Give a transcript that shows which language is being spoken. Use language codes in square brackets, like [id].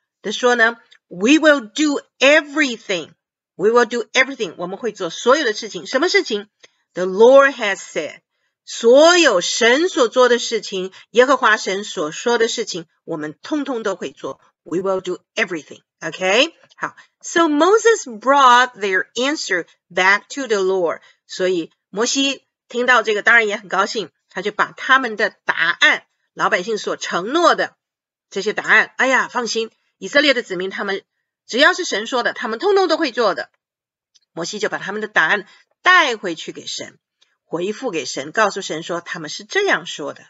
[zh] 他说呢， We will do everything. We will do everything. 我们会做所有的事情。什么事情？ The Lord has said. 所有神所做的事情，耶和华神所说的事情，我们通通都会做。 [en] We will do everything. Okay，好。 So Moses brought their answer back to the Lord. [zh] 所以摩西听到这个，当然也很高兴。他就把他们的答案，老百姓所承诺的这些答案，哎呀，放心，以色列的子民他们只要是神说的，他们通通都会做的。摩西就把他们的答案带回去给神，回复给神，告诉神说他们是这样说的。